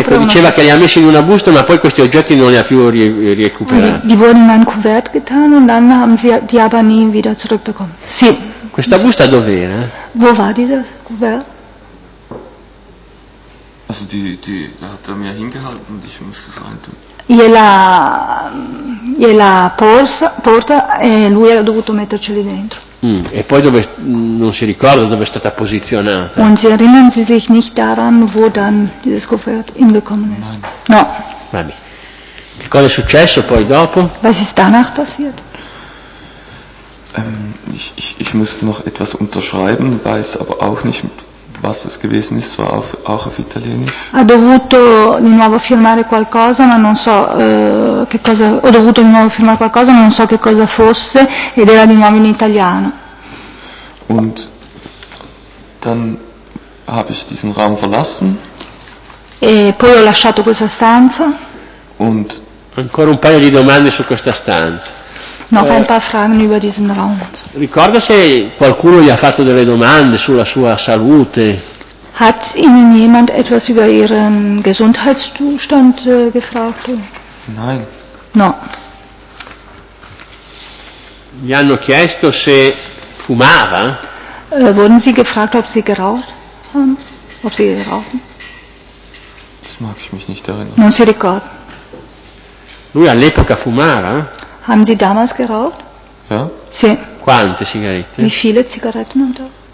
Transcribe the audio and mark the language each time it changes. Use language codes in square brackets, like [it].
[it] Ecco, diceva che li ha messi in una busta, ma poi questi oggetti non li ha più recuperati. [de] Die wurden in ein Kuvert getan und dann haben sie die aber nie wieder zurückbekommen. [it] Sì. Questa busta dov'era? [de] Wo war dieses Kuvert? Also die, da hat er mir hingehalten und ich musste es reintun. [it] Gliela porta e lui ha dovuto metterceli dentro. E poi dove, non si ricorda dove è stata posizionata. [de] Und sie erinnern sie sich nicht daran, wo dann dieses Kuvert hingekommen ist. Nein. [it] No. Va bene. Che cosa è successo poi dopo? [de] Was ist danach passiert? Ich musste noch etwas unterschreiben, weiß aber auch nicht, was es gewesen ist, war auch auf Italienisch. [it] Ha dovuto di nuovo firmare qualcosa, ma non so che cosa. Ho dovuto di nuovo firmare qualcosa, ma non so che cosa fosse, ed era di nuovo in italiano. [de] Und dann habe ich diesen Raum verlassen. [it] E poi ho lasciato questa stanza. [de] Und [it] ancora un paio di domande su questa stanza. [de] Noch ein paar Fragen über diesen Raum. [it] Ricorda se qualcuno gli ha fatto delle domande sulla sua salute. [de] Hat Ihnen jemand etwas über Ihren Gesundheitszustand gefragt? Nein. [it] No. Gli hanno chiesto se fumava? [de] Wurden Sie gefragt, ob Sie geraucht haben? Ob Sie rauchen? Das mag ich mich nicht erinnern. [it] Non si ricorda. Lui all'epoca fumava? [de] Haben Sie damals geraucht? Ja. [it] Sì. Quante sigarette? [de] Wie viele Zigaretten am Tag?